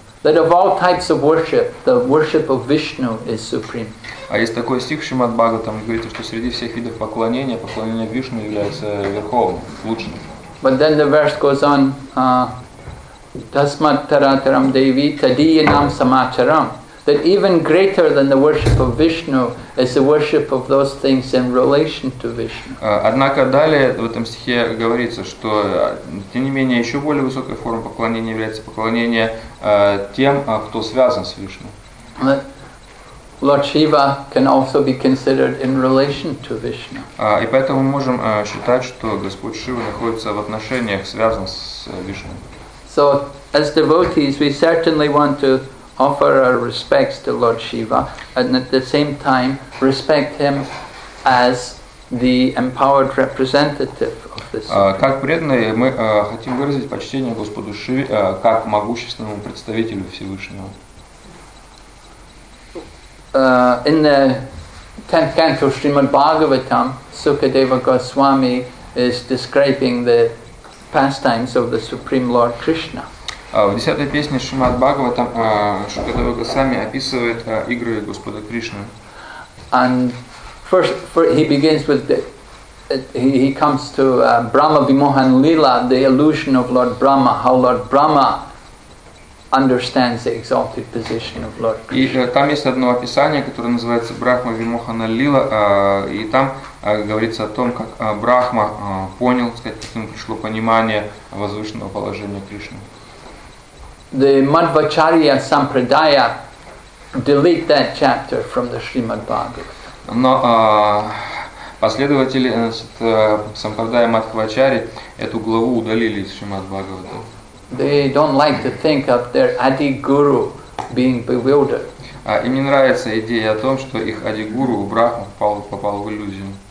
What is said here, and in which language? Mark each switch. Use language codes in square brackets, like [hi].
[en] That of all types of worship, the worship of Vishnu is supreme. [ru] А есть такой стих в Шримад Бхагаватам, говорит, что среди всех видов поклонения, поклонение Вишну является верховным, лучшим. [en] But then the verse goes on, [sa] Tasmat tarataram devi tadiyanam samacharam. [en] That even greater than the worship of Vishnu is the worship of those things in relation to Vishnu. [ru] Однако далее в этом стихе говорится, что тем не менее еще более высокой формой поклонения является поклонение тем, кто связан с Вишну. [en] Lord Shiva can also be considered in relation to Vishnu. [ru] И поэтому мы можем считать, что Господь Шива находится в отношениях, связан с Вишну. [en] So as devotees, we certainly want to offer our respects to Lord Shiva and at the same time respect him as the empowered representative of this. [ru] Как преданные мы хотим выразить почтение Господу Шиве как могущественному представителю Всевышнего. [en] In the 10th canto of Srimad Bhagavatam, Sukadeva Goswami is describing the pastimes of the Supreme Lord Krishna. [ru] В 10-й песне Шримад Бхагаватам Шукадева Госвами описывает игры Господа Кришны. [en] And first he begins with he comes to Brahma Vimohan Lila, the illusion of Lord Brahma, how Lord Brahma understands the exalted position of Lord Krishna. [ru] И там есть одно описание, которое называется Брахма Вимохана Лила, и там говорится о том, как Брахма понял, так сказать, каким пришло понимание возвышенного положения Кришны. [en] The Madhvacharya Sampradaya delete that chapter from the Srimad Bhagavatam. [ru] Но последователи Сампрадая Мадхвачари эту главу удалили из Шримад Бхагавата. [en] They don't like to think of their Adi Guru being bewildered. [ru] Им не нравится идея о том, что их Ади Гуру Брахма попал в иллюзию.